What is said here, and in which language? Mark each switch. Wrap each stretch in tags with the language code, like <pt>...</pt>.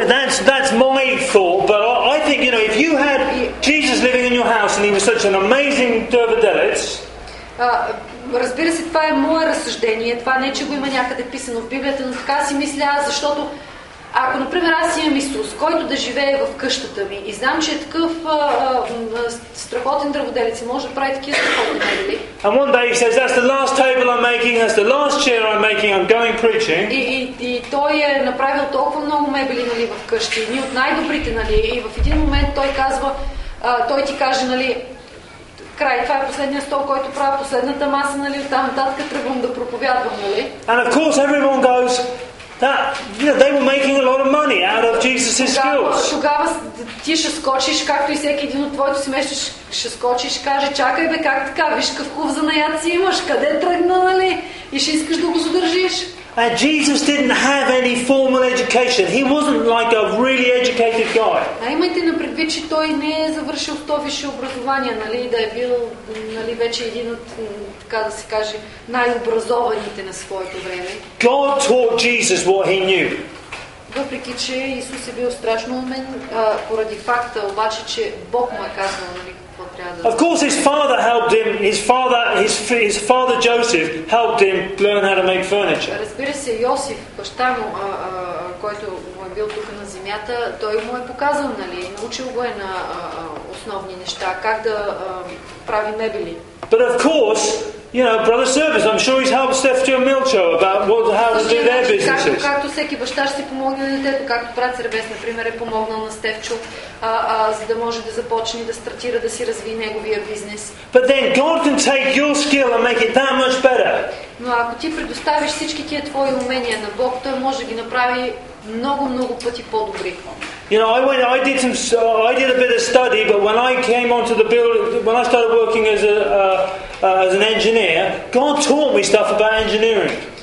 <en>That's my thought, but I think, you know, if you had Jesus living in your house and he was such an amazing дърводелец.</en> <bg>Разбира се, това е мое разсъждение. Това не че го има някъде писано в Библията, но така си мисля, защото ако, например, аз имам Исус, който да живее в къщата ми и знам, че е такъв страхотен дърводелец и може да прави такива страхотни мебели.</bg> <en>And one day he says, that's the last table I'm making, that's the last chair I'm making, I'm going preaching.</en> <bg>И той е направил толкова много мебели, нали, в къщи, ни от най-добрите, нали, и в един момент той казва, той ти каже, нали, край, това е последния стол, който правя, последната маса, нали, оттам нататък тръгвам да проповядвам, нали.</bg> <en>And of course everyone goes, they were making a lot of money out of Jesus' skills.</en> <bg>Тогава ти ще скочиш, както и всеки един от твоето семейство ще скочиш, каже, чакай бе, как така, виж какъв хубав занаят си имаш, къде тръгна, нали, и ще искаш да го задържиш.</bg> <en>And Jesus didn't have any formal education. He wasn't like a really educated guy.</en> <bg>А имайте на предвид, че той не е завършил то висше образование, нали, да е бил, нали, вече един от, така да се каже, най-образованите на своето време.</bg> <en>God taught Jesus what he knew.</en> <bg>Въпреки че Исус е бил страшно умен, поради факта обаче, че Бог му е казал, нали, какво трябва да.</bg> <en>Of course his father helped him, his father Joseph helped him learn how to make furniture.</en> <bg>Разбира се, Йосиф, баща му, който му е бил тук на земята, той му е показал, нали, научил го е на основни неща, как да прави мебели.</bg> <en>But of course, you know, brother service, I'm sure he's helped Stephanie and Milcho about how to do their businesses.</en> <bg>Както всеки баща ще си помогне на детето, както брат Сервес, например, е помогнал на Стефчо, за да може да започне да стартира, да си развие неговия бизнес.</bg> <en>But then God can take your skill and make it that much better.</en> <bg>Но ако ти предоставиш всички тия твои умения на Бог, той може да ги направи много, много пъти по-добри.</bg> <en>You know, I did a bit of study, but when I came onto the building, when I started working as an engineer, God taught me stuff about engineering.</en>